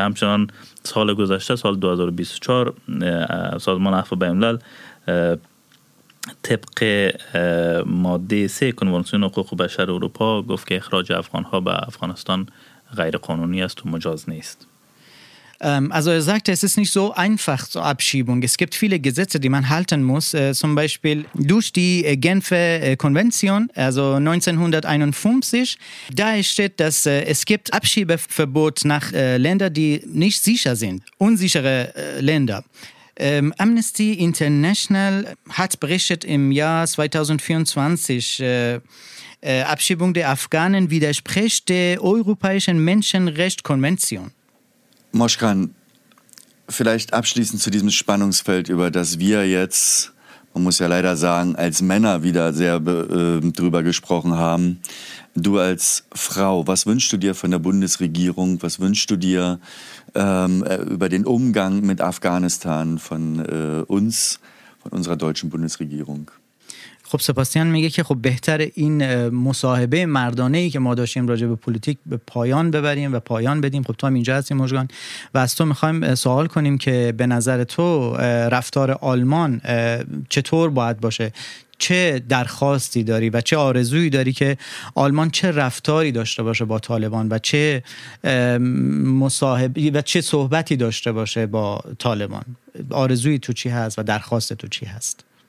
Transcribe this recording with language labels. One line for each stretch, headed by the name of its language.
Persian: همچنان سال گذشته سال 2024 سازمان عفو بین الملل طبق ماده 3 کنوانسیون حقوق بشر اروپا گفت که اخراج افغان‌ها به افغانستان غیر قانونی است و مجاز نیست.
German: Also er sagt, es ist nicht so einfach zur Abschiebung. Es gibt viele Gesetze, die man halten muss, zum Beispiel durch die Genfer Konvention, also 1951. Da steht, dass es gibt Abschiebeverbot nach Ländern, die nicht sicher sind, unsichere Länder. Amnesty International hat berichtet im Jahr 2024, Abschiebung der Afghanen widerspricht der Europäischen Menschenrechtskonvention. Moshkan, vielleicht abschließend zu diesem Spannungsfeld, über das wir jetzt, man muss ja leider sagen, als Männer wieder sehr drüber gesprochen haben. Du als Frau, was wünschst du dir von der Bundesregierung? Was wünschst du dir über den Umgang mit Afghanistan von uns, von unserer deutschen Bundesregierung?
Persian: خب سباستیان میگه که خب بهتر این مصاحبه مردانه ای که ما داشتیم راجع به پلیتیک به پایان ببریم و پایان بدیم. خب تو هم اینجا هستیم مژگان و از تو میخوایم سوال کنیم که به نظر تو رفتار آلمان چطور باید باشه؟ چه درخواستی داری و چه آرزویی داری که آلمان چه رفتاری داشته باشه با طالبان و چه مصاحبه و چه صحبتی داشته باشه با طالبان؟ آرزوی تو چی هست و درخواست تو چی هست؟